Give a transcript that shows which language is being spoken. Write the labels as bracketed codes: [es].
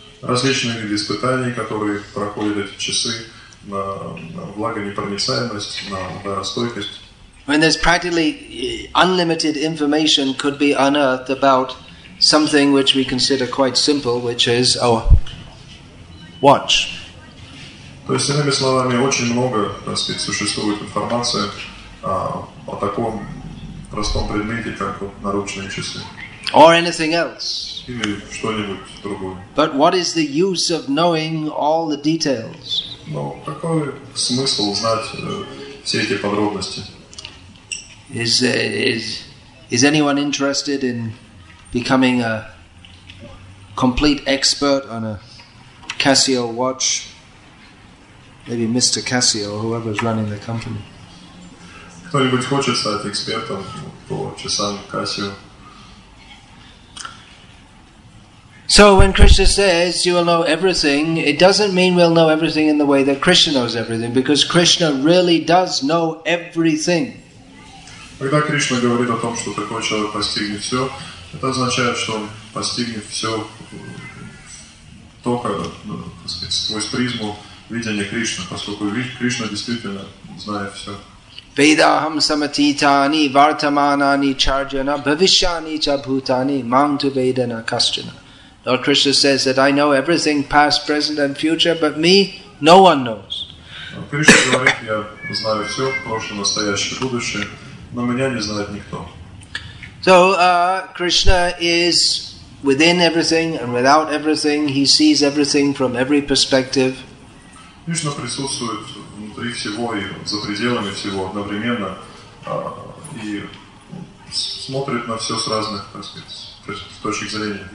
[ru] Различные виды испытаний, которые проходят эти часы на влагонепроницаемость, на ударостойкость. [en] When there's practically unlimited information could be unearthed about something which we consider quite simple, which is our watch. [ru] То есть, иными словами, очень много, так сказать, существует информации о таком простом предмете, как вот наручные часы. [en] Or anything else. [ru] Или что-нибудь другое. [en] But what is the use of knowing all the details? [ru] Ну, какой смысл узнать все эти подробности? [en] Is anyone interested in becoming a complete expert on a Casio watch? Maybe Mr. Casio, whoever's running the company. [ru] Кто-нибудь хочет стать экспертом по часам Casio? [en] So when Krishna says you will know everything, it doesn't mean we'll know everything in the way that Krishna knows everything, because Krishna really does know everything. [ru] Когда Кришна говорит о том, что такой человек постигнет все, это означает, что он постигнет все только, так сказать, сквозь призму видения Кришны, поскольку Кришна действительно знает все. [sa] Vedaham samatitani vartamanani charjana bhavishyani cha bhutani mantu vedana kaschana. [en] Lord Krishna says that I know everything, past, present, and future, but me, no one knows. [ru] Krishna говорит, я знаю все, прошлое, настоящее, будущее, но меня не знает никто. [en] So Krishna is within everything and without everything. He sees everything from every perspective. [ru] Krishna присутствует внутри всего и за пределами всего одновременно и смотрит на все с разных перспектив.